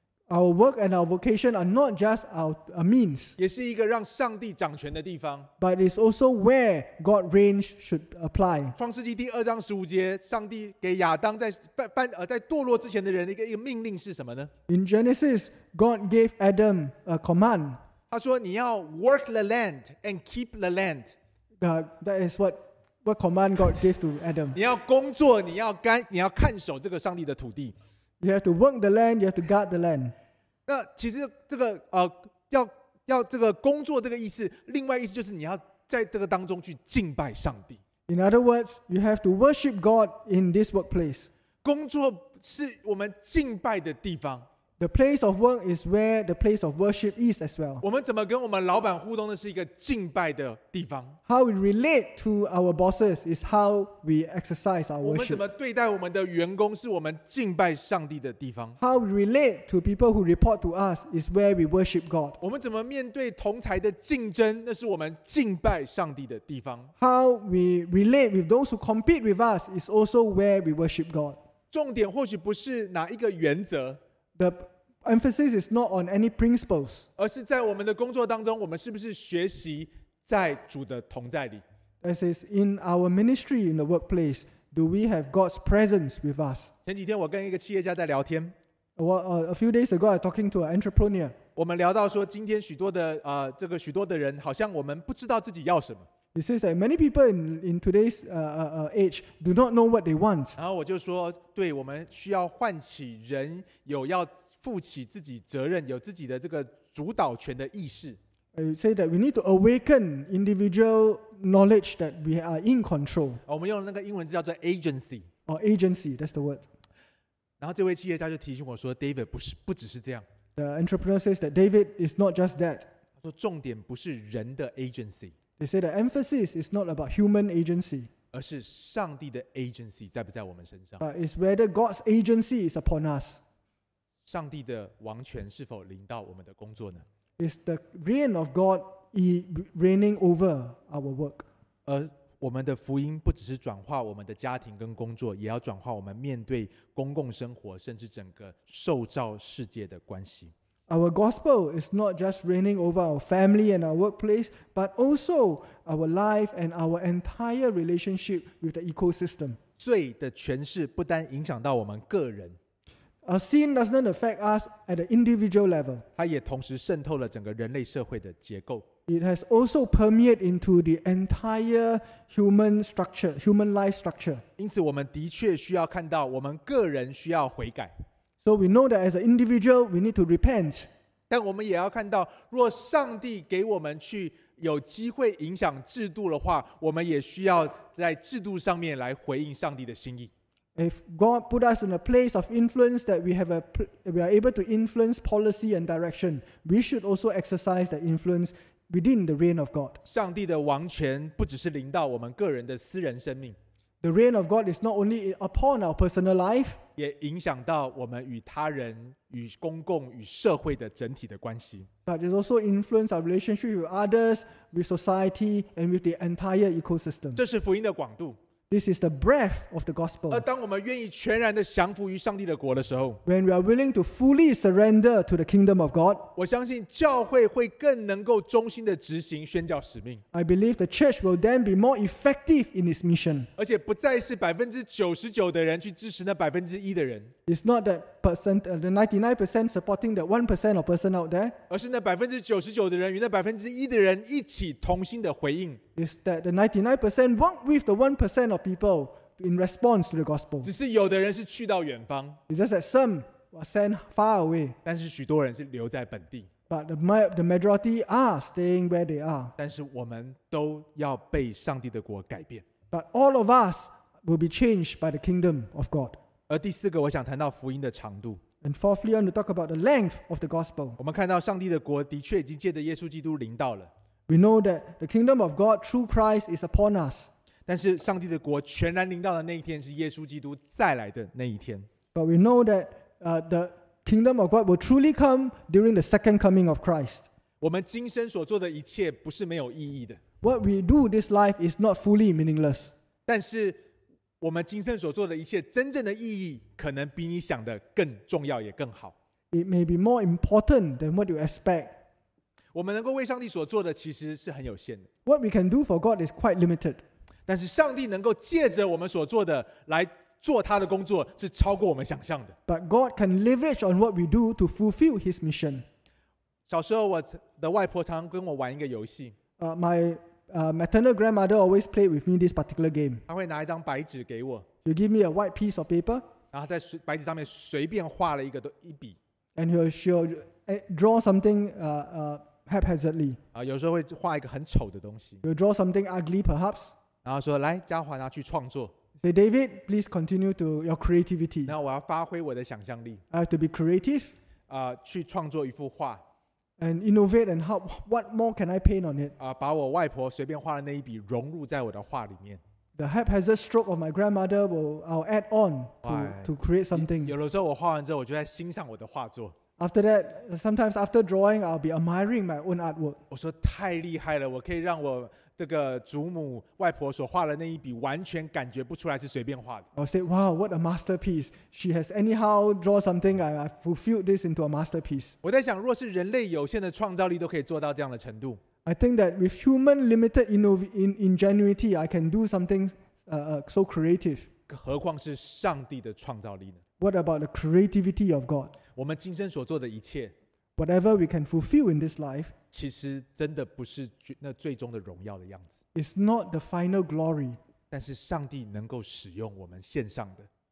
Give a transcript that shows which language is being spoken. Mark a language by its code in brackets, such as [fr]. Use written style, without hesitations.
[en] Our work and our vocation are not just our means, [zh] 也是一个让上帝掌权的地方。 [en] But it's also where God reigns should apply. [zh] 创世纪第二章十五节，上帝给亚当在堕落之前的人一个命令是什么呢？ [en] In Genesis, God gave Adam a command. [zh] 他说你要 [en] work the land and keep the land. That is what command God gave to Adam. [zh] 你要工作，你要看守这个上帝的土地。 [en] You have to work the land. You have to guard the land. [zh] 那其实这个要这个工作这个意思，另外意思就是你要在这个当中去敬拜上帝。 [en] In other words, you have to worship God in this workplace. [zh] 工作是我们敬拜的地方。 [en] The place of work is where the place of worship is as well. [zh] 我们怎么跟我们老板互动的是一个敬拜的地方。 [en] How we relate to our bosses is how we exercise our worship. [zh] 我们怎么对待我们的员工是我们敬拜上帝的地方。 [en] How we relate to people who report to us is where we worship God. [zh] 我们怎么面对同侪的竞争，那是我们敬拜上帝的地方。 [en] How we relate with those who compete with us is also where we worship God. [zh] 重点或许不是哪一个原则。 [en] The emphasis is not on any principles, [zh] 而是在我们的工作当中，我们是不是学习在主的同在里。 [en] This is in our ministry in the workplace. Do we have God's presence with us? [zh] 前几天我跟一个企业家在聊天。 [en] A few days ago, I was talking to an entrepreneur. [zh] 我们聊到说，今天许多的这个许多的人，好像我们不知道自己要什么。 [en] He says that many people in today's age do not know what they want. [zh] 然后我就说，对，我们需要唤起人有要负起自己责任，有自己的这个主导权的意识。 [en] I say that we need to awaken individual knowledge that we are in control. [zh] 我们用那个英文字叫做 agency. [en] Or agency, that's the word. [zh] 然后这位企业家就提醒我说 ，David 不只是这样。 [en] The entrepreneur says that David is not just that. [zh] 他说重点不是人的 agency. [en] They say the emphasis is not about human agency. [zh] 而是上帝的 agency 在不在我们身上。 [en] But it's whether God's agency is upon us. [zh] 上帝的王权是否临到我们的工作呢？ [en] Is the reign of God reigning over our work? [zh] 而我们的福音不只是转化我们的家庭跟工作，也要转化我们面对公共生活，甚至整个受造世界的关系。 [en] Our gospel is not just reigning over our family and our workplace, but also our life and our entire relationship with the ecosystem. [zh] 罪的权势不单影响到我们个人。 [en] Our sin doesn't affect us at an individual level. [zh] 它也同时渗透了整个人类社会的结构。 [en] It has also permeated into the entire human structure, human life structure. [zh] 因此我们的确需要看到我们个人需要悔改。 [en] So we know that as an individual, we need to repent. [zh] 但我们也要看到，若上帝给我们去有机会影响制度的话，我们也需要在制度上面来回应上帝的心意。 [en] If God put us in a place of influence that we are able to influence policy and direction, we should also exercise that influence within the reign of God. [zh] 上帝的王权不只是临到我们个人的私人生命。 [en] The reign of God is not only upon our personal life, [zh] 也影响到我们与他人、与公共、与社会的整体的关系。 [en] But it also influences our relationship with others, with society, and with the entire ecosystem. [zh] 这是福音的广度。 [en] This is the breadth of the gospel. [zh] 而当我们愿意全然的降服于上帝的国的时候， [en] When we are willing to fully surrender to the kingdom of God, [zh] 我相信教会会更能够忠心的执行宣教使命。 [en] I believe the church will then be more effective in its mission. [zh] 而且不再是 99% 的人去支持那 1% 的人。 [en] It's not that percent, the 99% supporting that 1% of person out there. [zh] 而是那 99% 的人与那 1% 的人一起同心的回应。 [en] Is that the 99% work with the 1% of people in response to the gospel? [zh] 只是有的人是去到远方。 [en] It's just that some were sent far away. [zh] 但是许多人是留在本地。 [en] But the majority are staying where they are. [zh] 但是我们都要被上帝的国改变。 [en] But all of us will be changed by the kingdom of God. [zh] 而第四个，我想谈到福音的长度。 [en] And fourthly, I want to talk about the length of the gospel. [zh] 我们看到上帝的国的确已经借着耶稣基督临到了。 [en] We know that the kingdom of God through Christ is upon us. [zh] 但是上帝的国全然临到的那一天是耶稣基督再来的那一天。 [en] But we know that the kingdom of God will truly come during the second coming of Christ. [zh] 我们今生所做的一切不是没有意义的。 [en] What we do this life is not fully meaningless. [zh] 但是我们今生所做的一切真正的意义可能比你想的更重要也更好。 [en] It may be more important than what you expect. [zh] 我们能够为上帝所做的其实是很有限的。 [en] What we can do for God is quite limited. [zh] 但是上帝能够借着我们所做的来做他的工作是超过我们想象的。 [en] But God can leverage on what we do to fulfill his mission. [zh] 小时候我的外婆常跟我玩一个游戏。 [en] Maternal grandmother always played with me this particular game. [zh] 她会拿一张白纸给我。 [en] You give me a white piece of paper. [zh] 然后在白纸上面随便画了一笔。 [en] And she'll draw something haphazardly. [zh] 有时候会画一个很丑的东西。 [en] You'll draw something ugly perhaps. [zh] 然后说来嘉华拿去创作。 [en] Say David, please continue to your creativity. [zh] 那我要发挥我的想象力。 [en] I have to be creative. [zh] 去创作一幅画。 [en] And innovate and how, what more can I paint on it? [zh] 把我外婆随便画的那一笔融入在我的画里面。 [en] The haphazard stroke of my grandmother I'll add on to create something. [zh] 有的时候我画完之后，我就在欣赏我的画作。 [en] After that, sometimes after drawing, I'll be admiring my own artwork. [zh] 我说太厉害了，我可以让我这个祖母外婆所画的那一笔完全感觉不出来是随便画的。 [en] I'll say, wow, what a masterpiece. She has anyhow drawn something, and I fulfilled this into a masterpiece. [zh] 我在想，若是人类有限的创造力都可以做到这样的程度。 [en] I think that with human limited ingenuity, I can do something so creative. [zh] 何况是上帝的创造力呢？ [en] What about the creativity of God? [zh] 我们今生所做的一切， [en] whatever we can fulfill in this life, [zh] 其实真的不是那最终的荣耀的样子。 [en] It's not the final glory. [zh] 但是上帝能够使用我们献上的。